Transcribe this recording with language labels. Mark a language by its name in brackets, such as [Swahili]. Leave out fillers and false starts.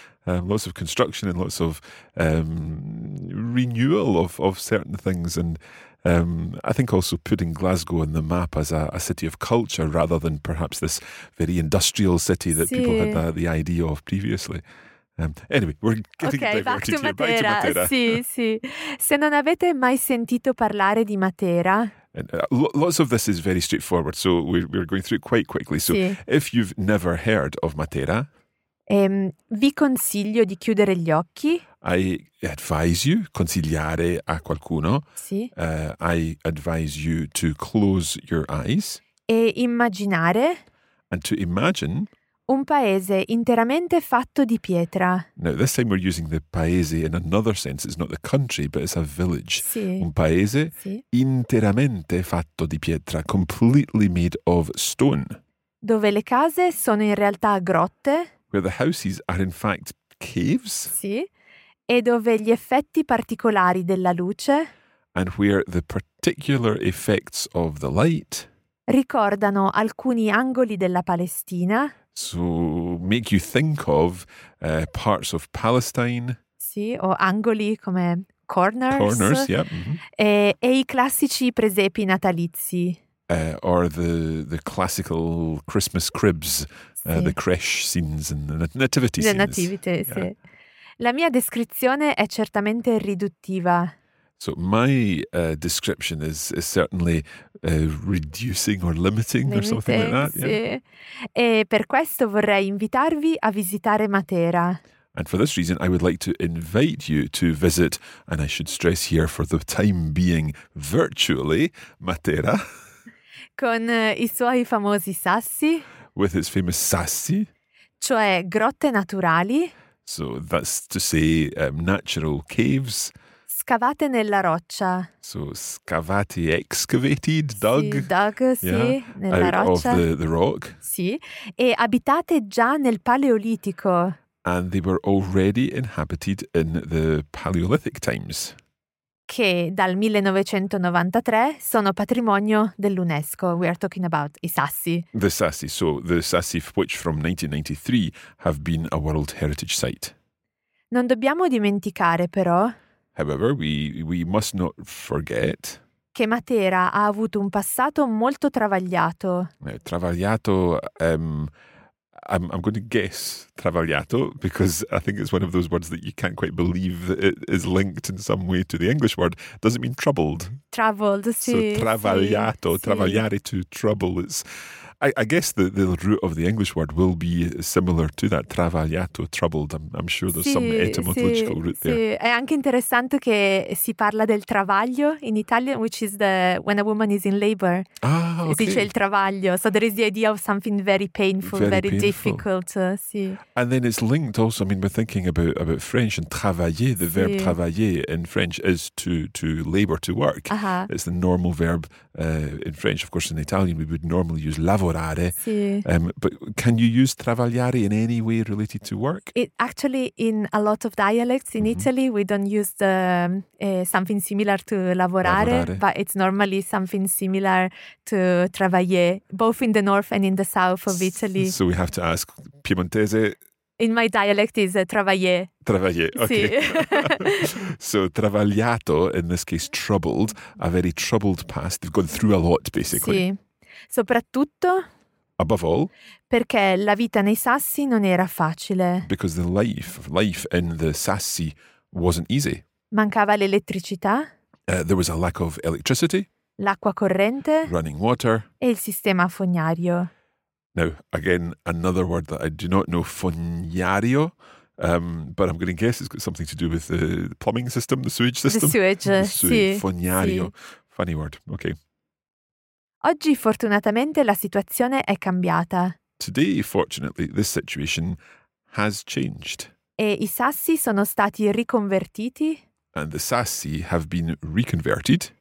[English] Lots of construction and lots of renewal of certain things. And I think also putting Glasgow on the map as a city of culture rather than perhaps this very industrial city that people had the idea of previously. Anyway, we're getting diverted here. Back to Matera. [Italian] Sì, sì. Se non avete mai sentito parlare di Matera... [English] And lots of this is very straightforward, so we're going through it quite quickly. So if you've never heard of Matera... [Italian] Vi consiglio di chiudere gli occhi. [English] I advise you, [Italian] consigliare a qualcuno. Sì. [English] I advise you to close your eyes. [Italian] E immaginare. [English] And to imagine. [Italian] Un paese interamente fatto di pietra. [English] Now this time we're using the paese in another sense. It's not the country, but it's a village. [Italian] Sì. Un paese interamente fatto di pietra, [English] completely made of stone. [Italian] Dove le case sono in realtà grotte. [English] Where the houses are in fact caves. [Italian] Sì. E dove gli effetti particolari della luce. [English] And where the particular effects of the light. [Italian] Ricordano alcuni angoli della Palestina. [English] So make you think of parts of Palestine. [Italian] Sì, o angoli come corners. [English] Corners, yeah. Mm-hmm. [Italian] E i classici presepi natalizi. [English] Or the classical Christmas cribs. The crash scenes and the nativity scenes. The nativity, yeah. [Italian] Sì. La mia descrizione è certamente riduttiva. [English] So my description is certainly reducing or limiting or something like that. [Italian] Sì. [English] Yeah. [Italian] E per questo vorrei invitarvi a visitare Matera. [English] And for this reason, I would like to invite you to visit, and I should stress here for the time being, virtually, Matera. [Italian] Con i suoi famosi sassi. [English] With its famous sassi. [Italian] Cioè grotte naturali. [English] So that's to say natural caves. [Italian] Scavate nella roccia. [English] So scavate, excavated, dug. [Italian] Sì, dug, sì, nella [English] out [Italian] roccia. [English] Out of the rock. [Italian] Sì, e abitate già nel Paleolitico. [English] And they were already inhabited in the Paleolithic times. [Italian] Che dal 1993 sono patrimonio dell'UNESCO. [English] We are talking about i sassi. The sassi, so the sassi which from 1993 have been a World Heritage Site. [Italian] Non dobbiamo dimenticare però... [English] However, we must not forget... [Italian] Che Matera ha avuto un passato molto travagliato. Travagliato... [English] I'm going to guess travagliato because I think it's one of those words that you can't quite believe it is linked in some way to the English word. Does it mean troubled? Troubled, [Italian] sì. [English] So travagliato, [Italian] sì, [English] travagliare to trouble. It's, I guess the root of the English word will be similar to that, travagliato, troubled. I'm sure there's [Italian] sì, [English] some etymological [Italian] sì, [English] root [Italian] sì. [English] there. [Italian] È anche interessante che si parla del travaglio [English] in Italian, which is the when a woman is in labor. Ah, okay. [Italian] Si dice il travaglio. [English] So there is the idea of something very painful, very, very painful. Difficult. [Italian] Sì. [English] And then it's linked also, I mean, we're thinking about French and travailler, the [Italian] sì. [English] verb travailler in French is to labor, to work. Uh-huh. It's the normal verb in French. Of course, in Italian, we would normally use lavoro. [Italian] lavorare. Sì. [English] But can you use travagliare in any way related to work? It actually, in a lot of dialects in Italy, we don't use the something similar to lavorare, but it's normally something similar to travailler, both in the north and in the south of Italy. So we have to ask Piemontese. In my dialect is travailler. Travailler, okay. So travagliato, in this case troubled, a very troubled past. They've gone through a lot, basically. [Italian] Sì. Soprattutto. [English] Above all. [Italian] Perché la vita nei Sassi non era facile. [English] Because the life in the Sassi wasn't easy. [Italian] Mancava l'elettricità. [English] There was a lack of electricity. [Italian] L'acqua corrente. [English] Running water. [Italian] E il sistema fognario. [English] Now, again, another word that I do not know, fognario, but I'm going to guess it's got something to do with the plumbing system, the sewage system. The sewage. Fognario. [Italian] Sì. [English] Funny word. Okay. [Italian] Oggi, fortunatamente, la situazione è cambiata. [English] Today, fortunately, this situation has changed. [Italian] E i Sassi sono stati riconvertiti. [English] And the Sassi have been reconverted.